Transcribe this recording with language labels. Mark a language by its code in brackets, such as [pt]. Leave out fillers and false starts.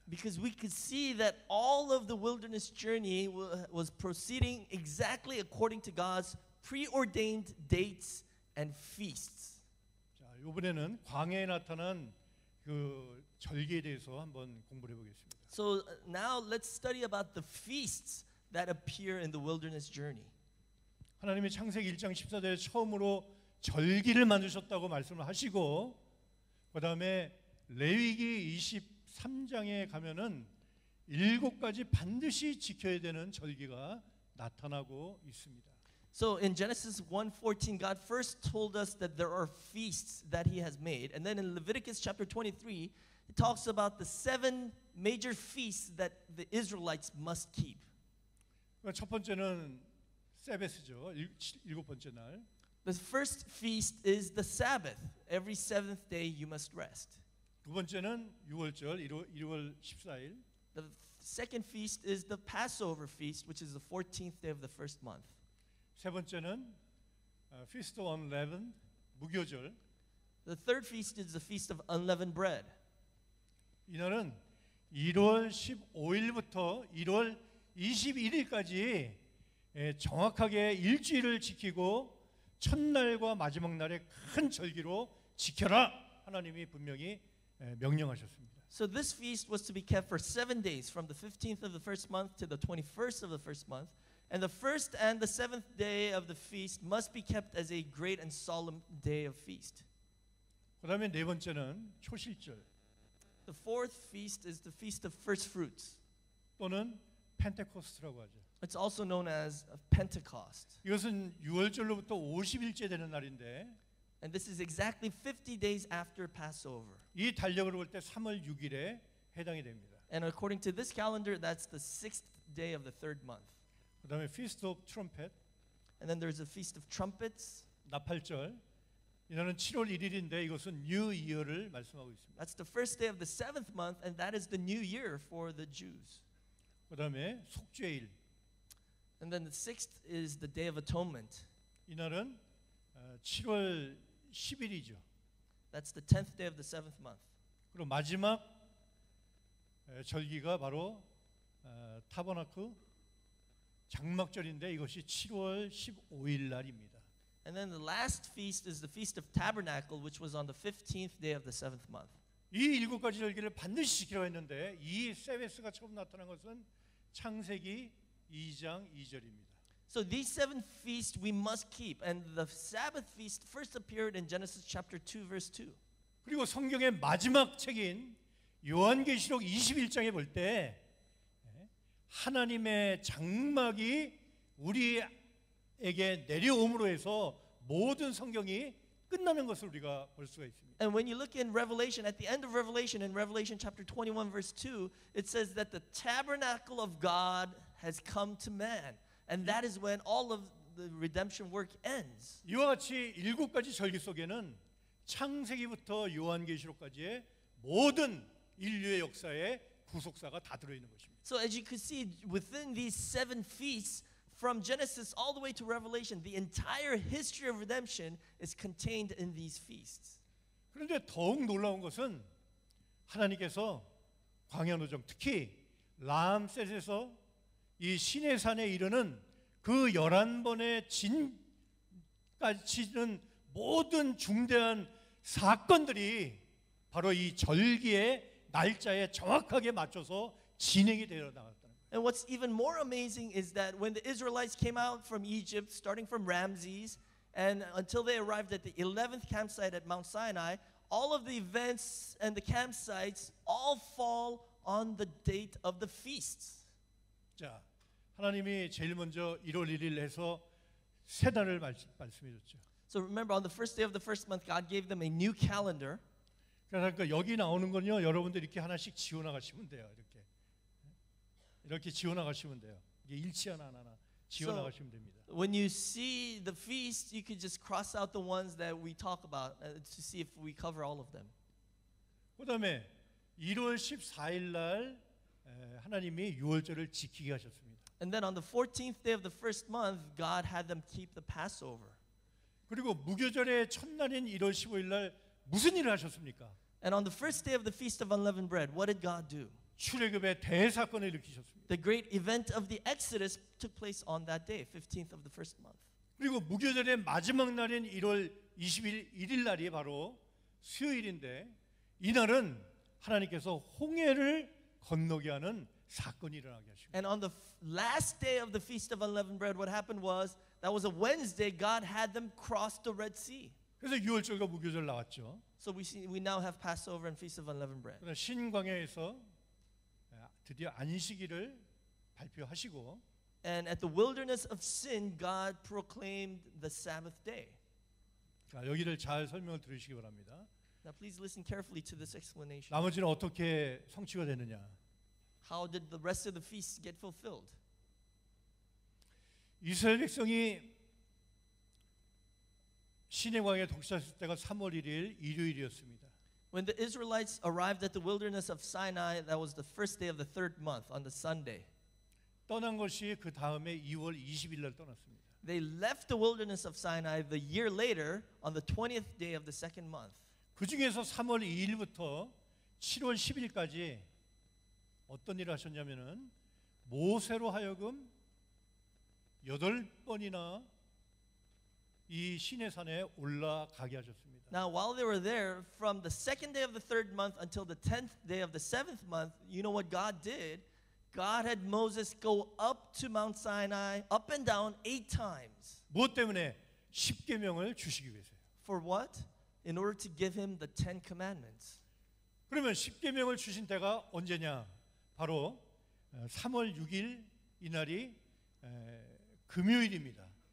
[en] Because we could see that all of the wilderness journey was proceeding exactly according to God's preordained dates and feasts. [ko] 자, 이번에는 광야에 나타난 그 절기에 대해서 한번 공부해 보겠습니다. [en] So now let's study about the feasts that appear in the wilderness journey. [ko] 하나님이 창세기 1장 14절에 처음으로 절기를 만드셨다고 말씀을 하시고 그다음에 레위기 23장에 가면은 일곱 가지 반드시 지켜야 되는 절기가 나타나고 있습니다. [en] So in Genesis 1:14 God first told us that there are feasts that he has made and then in Leviticus chapter 23 it talks about the seven major feasts that the Israelites must keep. [ko] 첫 번째는 세베스죠. 일곱 번째 날. [en] The first feast is the Sabbath. Every seventh day you must rest. [ko] 두 번째는 유월절 1월 14일. [en] The second feast is the Passover feast, which is the 14th day of the first month. [ko] 세 번째는 [en] Feast of Unleavened, [ko] 무교절. [en] The third feast is the Feast of Unleavened Bread. [ko] 이날은 1월 15일부터 1월 21일까지 정확하게 일주일을 지키고 첫날과 마지막 날의 큰 절기로 지켜라 하나님이 분명히 명령하셨습니다. [en] So this feast was to be kept for 7 days from the 15th of the first month to the 21st of the first month and the first and the 7th day of the feast must be kept as a great and solemn day of feast. [ko] 그다음에 네 번째는 초실절. [en] The fourth feast is the feast of first fruits. [ko] 또는 펜테코스트라고 하죠. [en] It's also known as Pentecost. [ko] 이것은 유월절로부터 50일째 되는 날인데 [en] And this is exactly 50 days after Passover. [ko] 이 달력으로 볼 때 3월 6일에 해당이 됩니다. [en] And according to this calendar, that's the 6th day of the 3rd month. [ko] 그다음에 [en] Feast of Trumpet. And then there's a Feast of Trumpets. [ko] 나팔절. 이날은 7월 1일인데 이것은 New Year를 말씀하고 있습니다. [en] That's the 1st day of the 7th month and that is the New Year for the Jews. [ko] 그다음에 속죄일. [en] And then the 6th is the Day of Atonement. [ko] 이날은 7월 10일이죠. [en] That's the 10th day of the 7th month. [ko] 그리고 마지막 절기가 바로 타버나크 장막절인데 이것이 7월 15일 날입니다. [en] And then the last feast is the Feast of Tabernacle, which was on the 15th day of the 7th month. [ko] 이 일곱 가지 절기를 반드시 지키려고 했는데 이 세베스가 처음 나타난 것은 창세기 2장 2절입니다. [en] So these seven feasts we must keep and the Sabbath feast first appeared in Genesis chapter 2 verse 2. [ko] 그리고 성경의 마지막 책인 요한계시록 21장에 볼 때 하나님의 장막이 우리에게 내려옴으로 해서 모든 성경이 끝나는 것을 우리가 볼 수가 있습니다. [en] And when you look in Revelation, at the end of Revelation, in Revelation chapter 21 verse 2, it says that the tabernacle of God has come to man. And that is when all of the redemption work ends. [ko] 이와 같이 일곱 가지 절기 속에는 창세기부터 요한계시록까지의 모든 인류의 역사의 구속사가 다 들어있는 것입니다. [en] So as you can see, within these seven feasts, from Genesis all the way to Revelation, the entire history of redemption is contained in these feasts. [ko] 그런데 더욱 놀라운 것은 하나님께서 광야 노정, 특히 람셋에서 이 신의 산에 이르는 그 11번의 진까지는 모든 중대한 사건들이 바로 이 절기의 날짜에 정확하게 맞춰서 진행이 되어 나갔다는 거예요. [en] And what's even more amazing is that when the Israelites came out from Egypt, starting from Ramses, and until they arrived at the 11th campsite at Mount Sinai, all of the events and the campsites all fall on the date of the feasts. [ko] 자, 하나님이 제일 먼저 1월 1일 해서 새 달을 말씀해 줬죠. [en] So remember, on the first day of the first month, God gave them a new calendar. [ko] 그러니까 여기 나오는 건요, 여러분들 이렇게 하나씩 지워나가시면 돼요, 이렇게. 이렇게 지워나가시면 돼요. 이게 일치 하나 지워 나가시면 됩니다. [en] When you see the feast, you could just cross out the ones that we talk about to see if we cover all of them. [ko] 그다음에 1월 14일 날 하나님이 유월절을 지키게 하셨습니다. [en] And then on the 14th day of the first month, God had them keep the Passover. [ko] 그리고 무교절의 첫날인 1월 15일 날 무슨 일을 하셨습니까? [en] And on the first day of the Feast of Unleavened Bread, what did God do? [ko] 출애굽의 대사건을 일으키셨습니다. [en] The great event of the Exodus took place on that day, 15th of the first month. [ko] 그리고 무교절의 마지막 날인 1월 21일 날이 바로 수요일인데 이날은 하나님께서 홍해를 건너게 하는 사건이 일어나게 하십니다. [en] And on the last day of the Feast of Unleavened Bread, what happened was that was a Wednesday. God had them cross the Red Sea. [ko] 그래서 유월절과 무교절 나왔죠. [en] So we now have Passover and Feast of Unleavened Bread. [ko] 신광야에서 드디어 안식일을 발표하시고. [en] And at the wilderness of sin, God proclaimed the Sabbath day. [ko] 자, 여기를 잘 설명을 들으시기 바랍니다. [en] Now please listen carefully to this explanation. [ko] 나머지는 어떻게 성취가 되느냐? [en] How did the rest of the feast get fulfilled? [ko] 이스라엘 백성이 시내광에 도착했을 때가 3월 1일 일요일이었습니다. [en] When the Israelites arrived at the wilderness of Sinai, that was the first day of the third month on the Sunday. [ko] 떠난 것이 그 다음에 2월 20일 날 떠났습니다. [en] They left the wilderness of Sinai the year later on the 20th day of the second month. [ko] 그 중에서 3월 2일부터 7월 10일까지 어떤 일을 하셨냐면은 모세로 하여금 8번이나 이 시내산에 올라가게 하셨습니다. [en] Now while they were there from the second day of the third month until the 10th day of the seventh month, you know what God did? God had Moses go up to Mount Sinai up and down 8 times. [ko] 무엇 때문에 십계명을 주시기 위해서요. [en] For what? In order to give him the Ten Commandments. [ko] 그러면 십계명을 주신 때가 언제냐? 바로 3월 6일 이날이 금요일입니다.